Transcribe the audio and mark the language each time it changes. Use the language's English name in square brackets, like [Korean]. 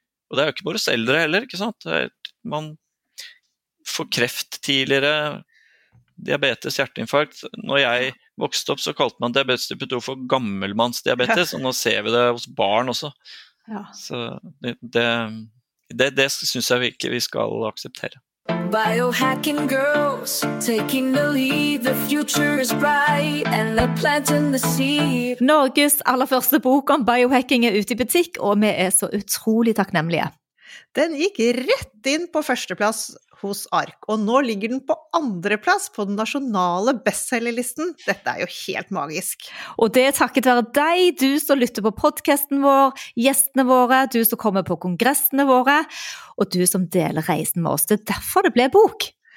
[Norwegian] Og det er jo ikke bare oss eldre heller, ikke sant? Man får kreft tidligere, diabetes, hjerteinfarkt. Når jeg vokste opp, så kalte man diabetes type 2 for gammelmannsdiabetes, og nå ser vi det hos barn også. Ja. Så det synes jeg ikke vi skal akseptere. [English] Biohacking girls, taking the lead, the future is bright, and the plant in the seed. [Norwegian] Norges aller første bok om biohacking er ute i butikk, og vi er så utrolig takknemlige. Den gikk rett inn på førsteplass hos ARK, og nå ligger den på andre plass på den nasjonale bestsellerlisten. Dette er jo helt magisk. Og det er takket være deg, du som lytter på podcasten vår, gjestene våre, du som kommer på kongressene våre, og du som deler reisen med oss. Det er derfor det ble bok.